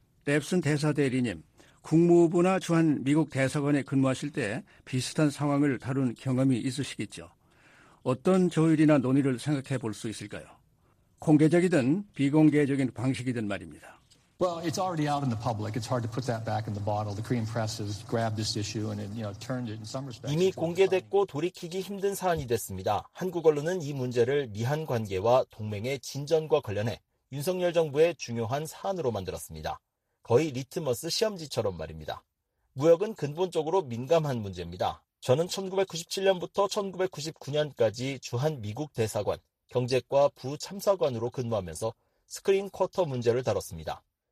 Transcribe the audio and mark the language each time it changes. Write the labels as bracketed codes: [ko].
[ko] 랩슨 대사대리님, 국무부나 주한 미국 대사관에 근무하실 때 비슷한 상황을 다룬 경험이 있으시겠죠. 어떤 조율이나 논의를 생각해 볼 수 있을까요? 공개적이든 비공개적인 방식이든 말입니다. [en] Well, it's already out in the public. It's hard to put that back in the bottle. The Korean press has grabbed this issue and it, you know, turned it in some respects. [ko] 이미 공개됐고 돌이키기 힘든 사안이 됐습니다. 한국 언론은 이 문제를 미한 관계와 동맹의 진전과 관련해 윤석열 정부의 중요한 사안으로 만들었습니다. 거의 리트머스 시험지처럼 말입니다. 무역은 근본적으로 민감한 문제입니다. 저는 1997년부터 1999년까지 주한미국 대사관, 경제과 부참사관으로 근무하면서 스크린 쿼터 문제를 다뤘습니다.